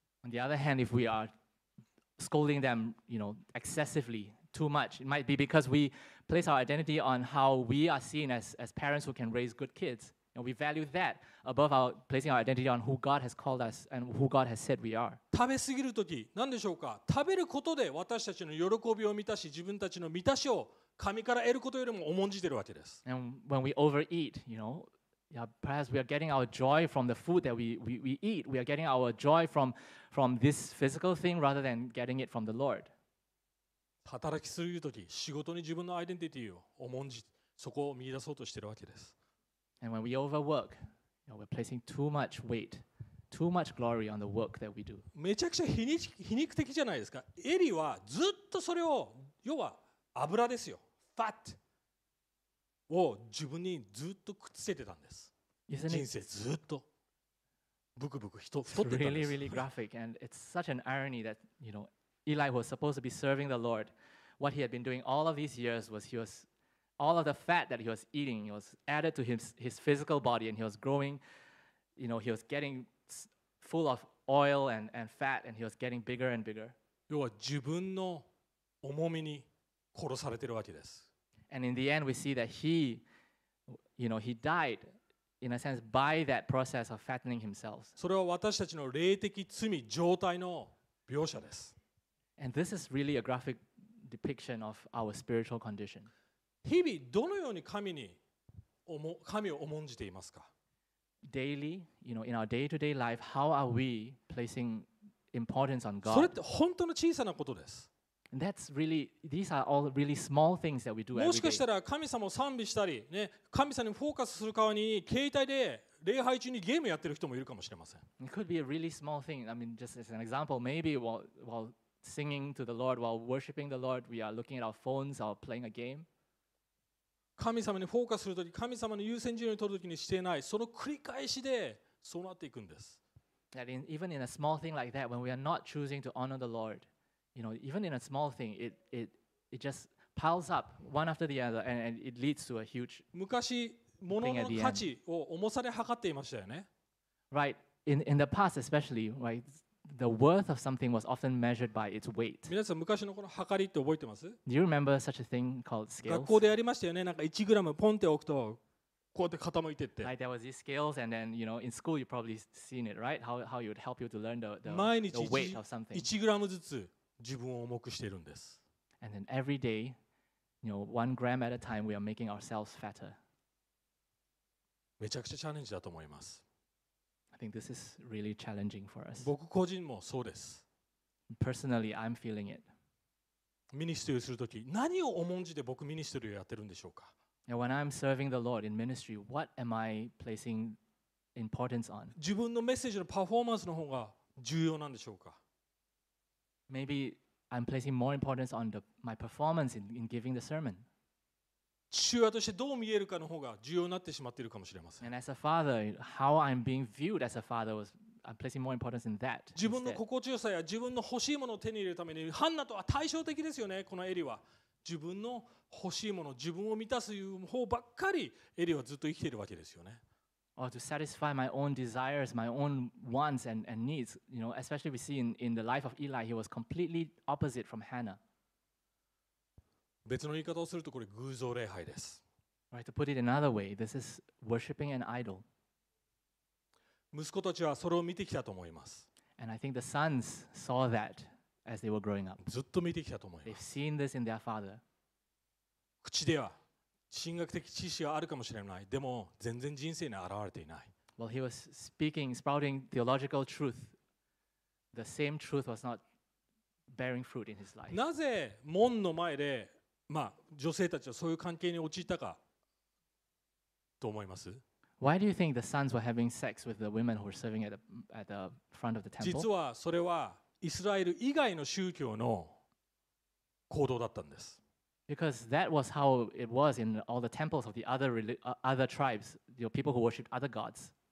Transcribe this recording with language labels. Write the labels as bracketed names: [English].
[English] On the other hand, if we are scolding them, you know, excessively, too much. It might be because we place our identity on how we are seen as parents who can raise good kids. And we value that above our placing our identity on who God has called us and who God has said we are. [Japanese] 食べ過ぎる時、何でしょうか？食べることで私たちの喜びを満たし、自分たちの満たしを神から得ることよりも重んじているわけです。 [English] And when we overeat, you know, yeah, perhaps we are getting our joy from the food that we eat. We are getting our joy from this physical thing rather than getting it from the Lord. [Japanese] 働き過ぎる時、仕事に自分のアイデンティティを重んじ、そこを見出そうとしているわけです。 [English] And when we overwork, you know, we're placing too much weight, too much glory on the work that we do. [Japanese] めちゃくちゃ皮肉的じゃないですか。エリはずっとそれを、要は油ですよ、fat を自分にずっとくっつけてたんです。 [English] Isn't it? [Japanese] 人生ずっとブクブク人太ってたんです。 [English] It's really, really graphic, and it's such an irony that you know, Eli was supposed to be serving the Lord. What he had been doing all of these years was he was all of the fat that he was eating was added to his physical body and he was growing, you know, he was getting full of oil and fat and he was getting bigger and bigger. [Japanese] 要は自分の重みに殺されてるわけです。 [English] And in the end we see that he, you know, he died in a sense by that process of fattening himself. [Japanese] それは私たちの霊的罪状態の描写です。 [English] And this is really a graphic depiction of our spiritual condition. [Japanese] 日々どのように神を重んじていますか。 [English] Daily, you know, in our day-to-day life, how are we placing importance on God? [Japanese] それって本当の小さなことです。 [English] That's really, these are all really small things that we do every day. [Japanese] もしかしたら神様を賛美したり、ね、神様にフォーカスする代わりに携帯で礼拝中にゲームやってる人もいるかもしれません。 [English] It could be a really small thing. I mean, just as an example, maybe while singing to the Lord, while worshiping the Lord, we are looking at our phones or playing a game. [Japanese] 神様にフォーカスするとき、神様の優先順位を取るときにしていない、その繰り返しでそうなっていくんです。 [English] That in, even in a small thing like that, when we are not choosing to honor the Lord, you know, even in a small thing, it just piles up one after the other, and it leads to a huge thing at the end. [Japanese] 昔、物の価値を重さで測っていましたよね。 [English] Right, in the past especially, right, the worth of something was often measured by its weight. [Japanese] 皆さん昔のこの測りって覚えてます？ [English] Do you remember such a thing called scales? [Japanese] 学校でやりましたよね。なんか1グラムポンって置くとこうやって傾いてって。 [English] Right, there was these scales, and then you know, in school you probably seen it, right? How it would help you to learn the weight of something. [Japanese] 毎日1グラムずつ自分を重くしているんです。 [English] And then every day, you know, 1 gram at a time, we are making ourselves fatter. [Japanese] めちゃくちゃチャレンジだと思います。 [English] I think this is really challenging for us. [Japanese] 僕個人もそうです。 [English] Personally, I'm feeling it. [Japanese] ミニストリーするとき、何を重んじて僕ミニストリーをやってるんでしょうか。 [English] And when I'm serving the Lord in ministry, what am I placing importance on? [Japanese] 自分のメッセージのパフォーマンスの方が重要なんでしょうか。 [English] Maybe I'm placing more importance on my performance in giving the sermon. [Japanese] 父親としてどう見えるかの方が重要になってしまっているかもしれません。 [English] And as a father, how I'm being viewed as a father was, I'm placing more importance in that. [Japanese] 自分の心地よさや自分の欲しいものを手に入れるために、ハンナとは対照的ですよね。このエリは自分の欲しいもの、自分を満たす方ばっかりエリはずっと生きているわけですよね。 [English] Or to satisfy my own desires, my own wants and needs, you know, especially we see in the life of Eli, he was completely opposite from Hannah. [Japanese] 別の言い方をするとこれ偶像礼拝です。 [English] Right, to put it another way, this is worshiping an idol. [Japanese] 息子たちはそれを見てきたと思います。 [English] And I think the sons saw that as they were growing up. [Japanese] ずっと見てきたと思います。 [English] They've seen this in their father. [Japanese] 口では神学的知識はあるかもしれない。でも全然人生に現れていない。 [English] Well, he was speaking, sprouting theological truth. The same truth was not bearing fruit in his life. [Japanese] なぜ門の前でまあ、女性たちはそういう関係に陥ったかと思います。 [English] Why do you think the sons were having sex with the women who were serving at the front of the temple? [Japanese] 実はそれはイスラエル以外の宗教の行動だったんです。 [English] Because that was how it was in all the temples of the other tribes, the people who worshipped other gods.